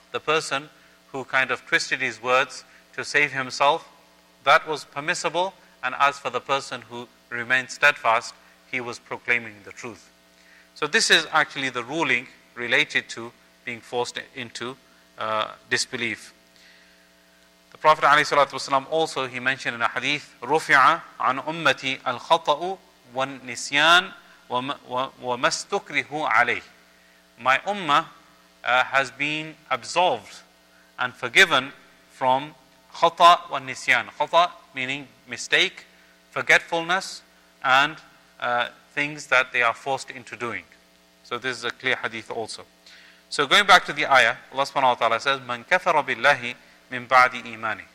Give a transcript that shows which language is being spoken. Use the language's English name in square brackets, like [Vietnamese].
[English] The person who kind of twisted his words to save himself, that was permissible, and as for the person who remained steadfast, he was proclaiming the truth. So this is actually the ruling related to being forced into disbelief. The Prophet ﷺ also, he mentioned in a hadith, [Arabic] رُفِعَ عَنْ أُمَّتِي الْخَطَأُ وَالنِّسْيَانِ وَمَا اسْتُكْرِهُ عَلَيْهِ. [English] My ummah has been absolved and forgiven from khata wa nisyan. Khata meaning mistake, forgetfulness, and things that they are forced into doing. So this is a clear hadith also. So going back to the ayah, Allah subhanahu wa ta'ala says, [Arabic] "Man kafara billahi min ba'di imani."